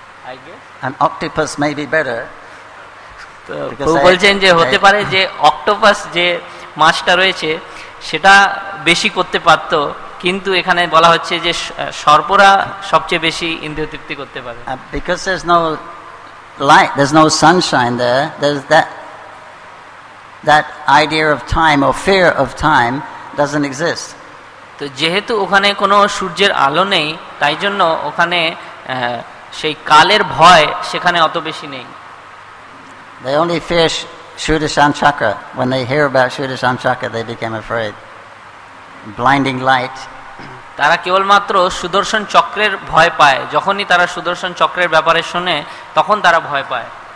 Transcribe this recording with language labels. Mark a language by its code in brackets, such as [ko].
[en] I guess an octopus may be better. [bn] তো বলছেন যে হতে পারে যে অক্টোপাস যে মাছটা রয়েছে সেটা বেশি করতে পারতো, কিন্তু এখানে বলা হচ্ছে যে সর্পরা সবচেয়ে বেশি ইন্দ্রিয় তৃপ্তি করতে পারে। [en] Because there's no light, there's no sunshine there, there's that idea of time or fear of time doesn't exist. [bn] তো যেহেতু ওখানে কোনো সূর্যের আলো নেই, তাই জন্য ওখানে সেই কালের ভয় সেখানে অত বেশি নেই। [en] They only fear Sudarshan Chakra. When they hear about Sudarshan Chakra, they became afraid. Blinding light. [bn] তারা কেবলমাত্র সুদর্শন চক্রের ভয় পায়। যখনই তারা সুদর্শন চক্রের ব্যাপারে শুনে তখন তারা ভয় পায়।